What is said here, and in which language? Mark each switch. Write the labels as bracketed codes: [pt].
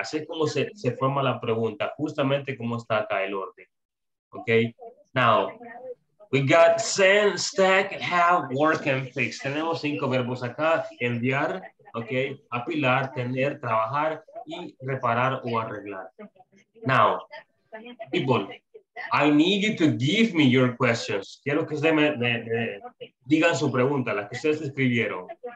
[es] Así como se forma la pregunta, justamente como está acá el orden. Okay. [en] Now, we got send, stack, have, work, and fix. [es] Tenemos cinco verbos acá. Enviar, okay, apilar, tener, trabajar, y reparar o arreglar. [en] Now, people, I need you to give me your questions. [es] Quiero que ustedes me digan su pregunta, las que ustedes escribieron.